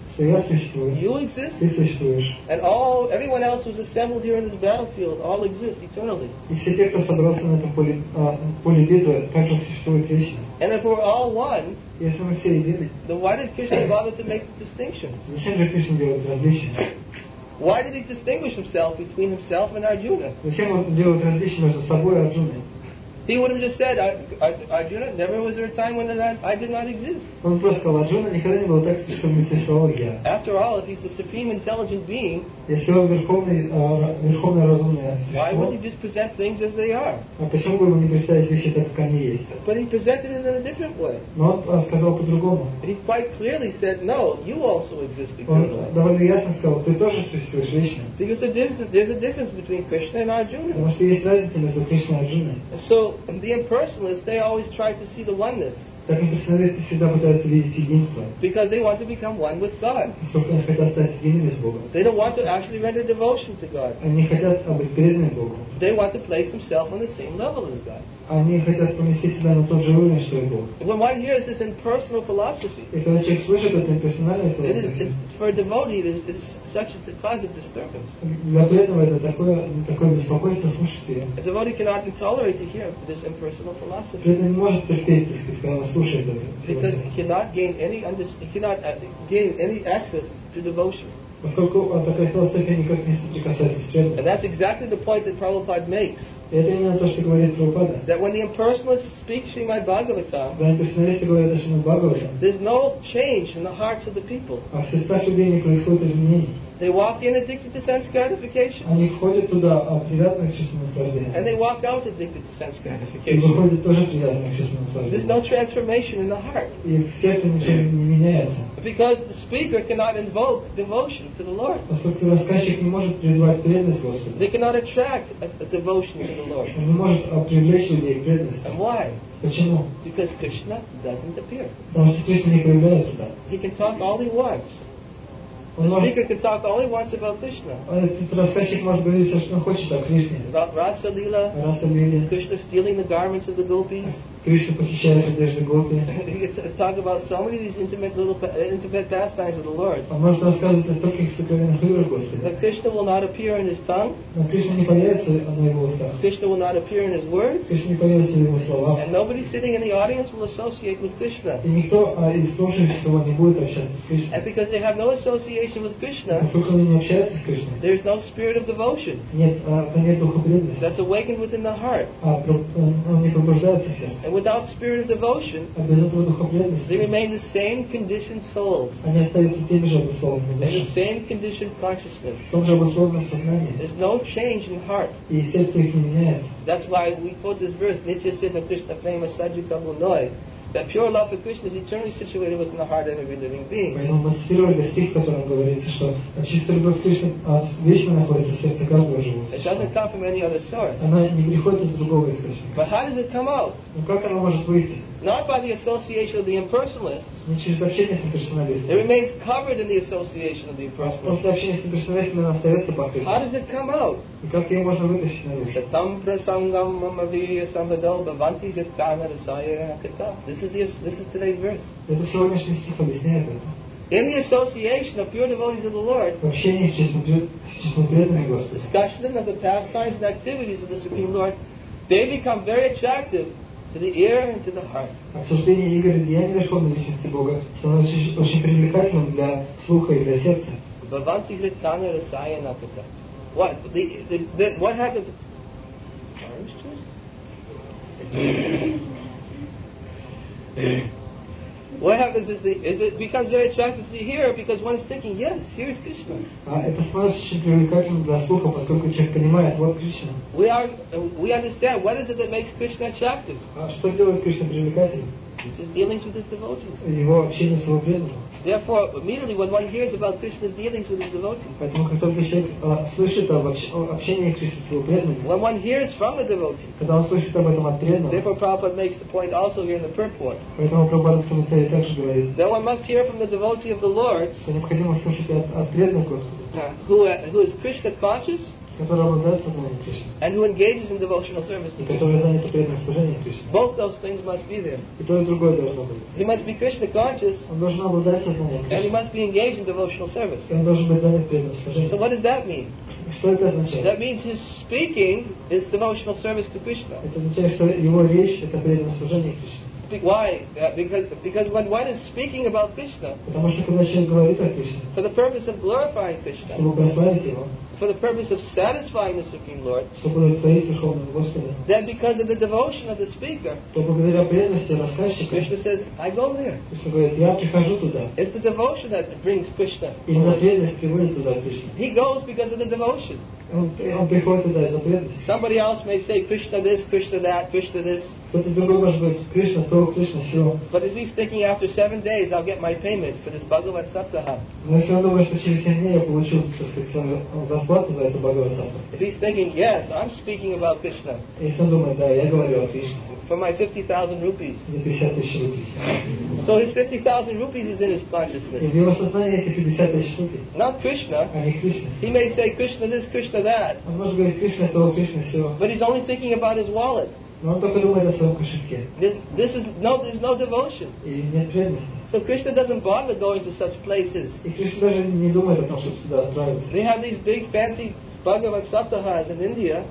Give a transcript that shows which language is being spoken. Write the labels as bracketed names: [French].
[English] You exist. And everyone else who's assembled here in this battlefield all exist eternally. And if we're all one, then why did Krishna bother to make the distinctions? Why did he distinguish himself between himself and Arjuna? [Russian] Зачем он делал различие между собой и Арджуной? [English] He would have just said, Arjuna, never was there a time when I did not exist. [Russian] Он просто сказал, Арджуна, никогда не было так, чтобы не существовал я. [English] After all, if he's the supreme intelligent being, [Russian] если он верховный разумный существо, [English] why would he just present things as they are? [Russian] А почему бы ему не представить вещи так, как они есть? [English] But he presented it in a different way. [Russian] Но он сказал по-другому. [English] He quite clearly said, no, you also exist. [Russian] Он довольно ясно сказал, ты тоже существуешь, Кришна. [English] Because there's a difference between Krishna and Arjuna. [Russian] Потому что есть разница между Кришной и Арджуной. [English] So the impersonalists, they always try to see the oneness. [Russian] Так имперсоналисты всегда пытаются видеть единство. [English] Because they want to become one with God. [Russian] Поскольку они хотят стать едиными с Богом. [English] They don't want to actually render devotion to God. [Russian] Они хотят быть преданными Богу. [English] They want to place themselves on the same level as God. [Russian] Они хотят поместить себя на тот же уровень, что и Бог. [English] When one hears this impersonal philosophy, [Russian] и когда человек слышит эту имперсональную философию, [English] for a devotee, it's such a cause of disturbance. [Russian] Для преданного это такое беспокойство, слушать ее. [English] A devotee cannot tolerate to hear this impersonal philosophy. [Russian] Преданный не может терпеть, так сказать, когда он слушает это. [English] Because he cannot gain any access to devotion. [Russian] Поскольку он такая философия никак не соприкасается с преданностью. [English] And that's exactly the point that Prabhupada makes. [Russian] Это именно то, что говорит Прабхупада. [English] That when the impersonalist speaks Srimad Bhagavatam, [Russian] когда имперсоналисты говорят о Шримад Бхагаватам, [English] there's no change in the hearts of the people. [Russian] А в сердцах людей не происходит изменений. [English] They walk in addicted to sense gratification. [Russian] Они входят туда, привязанные к чувственным наслаждениям. [English] And they walk out addicted to sense gratification. [Russian] И выходят тоже привязанные к чувственным наслаждениям. [English] There's no transformation in the heart. [Russian] И в сердце ничего не меняется. [English] Because the speaker cannot invoke devotion to the Lord. [Russian] Поскольку рассказчик не может призвать преданность Господу. [English] They cannot attract a devotion to the Lord. [Russian] Он не может привлечь людей к преданности. [English] And why? [Russian] Почему? [English] Because Krishna doesn't appear. [Russian] Потому что Кришна не появляется там. [English] He can talk all he wants. The speaker can talk all he wants about Krishna. [Russian] Этот рассказчик может говорить все, что он хочет о Кришне. [English] About Rasa Lila. Rasa Lila. Krishna stealing the garments of the gopis. [Russian] Кришна похищает одежду гопи. [English] He can talk about so many of these intimate pastimes of the Lord. [Russian] Он может рассказывать о стольких сокровенных играх Господа. [English] But Krishna will not appear in his tongue. [Russian] Но Кришна не появится на его устах. [English] Krishna will not appear in his words. [Russian] Кришна не появится в его словах. [English] And nobody sitting in the audience will associate with Krishna. [Russian] И никто из слушающих не будет общаться с Кришной. [English] And because they have no association with Krishna, [Russian] поскольку они не общаются с Кришной, [English] there is no spirit of devotion. [Russian] Нет духа преданности. [English] That's awakened within the heart. [Russian] Он не пробуждается в сердце. [English] And without spirit of devotion, [Russian] а без этого духа преданности, [English] they remain the same conditioned souls. [Russian] Они остаются теми же обусловленными душами. [English] And the same conditioned consciousness. [Russian] В том же обусловленном сознании. [English] There's no change in heart. [Russian] И сердце их не меняется. [English] That's why we quote this verse, [Sanskrit] Nitya Siddha Krishna Prema Sajjita Munoy. [English] That pure love for Krishna is eternally situated within the heart of every living being. [Russian] Поэтому мы цитировали стих, в котором говорится, что чистая любовь к Кришне вечно находится в сердце каждого живого существа. [English] It doesn't come from any other source. [Russian] Она не приходит из другого источника. [English] But how does it come out? [Russian] Но как она может выйти? [English] Not by the association of the impersonalists. [Russian] Не через общение с имперсоналистами. [English] It remains covered in the association of the impersonalists. [Russian] После общения с имперсоналистами она остается покрытой. [English] How does it come out? [Russian] И как ее можно вытащить на душу? [Sanskrit] Сатам прасангам мамавирья самадал баванти виткана расая акита. [English] This is today's verse. [Russian] Это сегодняшний стих объясняет это. [English] In the association of pure devotees of the Lord, [Russian] в общении с честными преданными Господа, [English] discussion of the pastimes and activities of the Supreme Lord, they become very attractive to the ear and to the heart. [Russian] Обсуждение игр и деяний Верховной Личности Бога становится очень привлекательным для слуха и для сердца. [Sanskrit] Бхаванти хриттана расая наката. [English] What happens? Orange juice? What happens is it becomes very attractive to the hearer because one is thinking, yes, here is Krishna. [Russian] Это становится очень привлекательным для слуха, поскольку человек понимает, вот Кришна. [English] We understand. What is it that makes Krishna attractive? [Russian] Что делает Кришна привлекательным? [English] This is dealings with his devotees. [Russian] Его общение с его преданными. [English] Therefore, immediately when one hears about Krishna's dealings with his devotees, [Russian] поэтому как только человек слышит об общении Кришны с его преданными, [English] when one hears from a devotee, [Russian] когда он слышит об этом от преданного, [English] therefore Prabhupada makes the point also here in the purport. [Russian] Поэтому Прабхупада в комментарии также говорит, [English] that one must hear from the devotee of the Lord, [Russian] что необходимо слышать от преданного Господа, [English] who is Krishna conscious, [Russian] который обладает сознанием Кришны, [English] and who engages in devotional service to [Russian] Krishna, который занят преданным служением Кришне. [English] Both those things must be there. [Russian] И то и другое должно быть. [English] He must be Krishna conscious. [Russian] Он должен обладать сознанием Кришны. [English] And he must be engaged in devotional service. [Russian] И он должен быть занят преданным служением. [English] So what does that mean? [Russian] Что это означает? [English] That means his speaking is devotional service to Krishna. [Russian] Это означает, что его речь это преданное служение Кришне. [English] Why? Because when one is speaking about Krishna, [Russian] потому что когда человек говорит о Кришне, [English] for the purpose of glorifying Krishna, [Russian] чтобы прославить его, [English] for the purpose of satisfying the Supreme Lord, [Russian] чтобы удовлетворить Верховного Господа, [English] then because of the devotion of the speaker, [Russian] то благодаря преданности рассказчика, [English] Krishna says, I go there. [Russian] Krishna говорит, я прихожу туда. [English] It's the devotion that brings Krishna. [Russian] Именно преданность приводит туда Кришну. [English] He goes because of the devotion. [Russian] Он приходит туда из-за преданности. [English] Somebody else may say Krishna this, Krishna that, Krishna this. [Russian] Кто-то другой может говорить Кришна то, Кришна все. [English] But if he's thinking after 7 days I'll get my payment for this Bhagavad Saptaha. [Russian] Но если он думает, что через 7 дней я получу, так сказать, свою зарплату за эту Бхагавад Сапта. [English] If he's thinking yes, I'm speaking about Krishna. [Russian] Если он думает, да, я говорю о Кришне. [English] For my 50,000 rupees. [Russian] За 50,000 рупий. [English] So his 50,000 rupees is in his consciousness. [Russian] И в его сознании эти 50,000 рупий. [English] Not Krishna. [Russian] А не Кришна. [English] He may say Krishna this, Krishna that. [Russian] Он может говорить Кришна то, Кришна все. [English] But he's only thinking about his wallet. [Russian] Но он только думает о своем кошельке. [English] There's no devotion. [Russian] И нет преданности. [English] So Krishna doesn't bother going to such places. [Russian] И Кришна даже не думает о том, чтобы туда отправиться. [English] They have these big fancy Bhagavad Saptahas in India.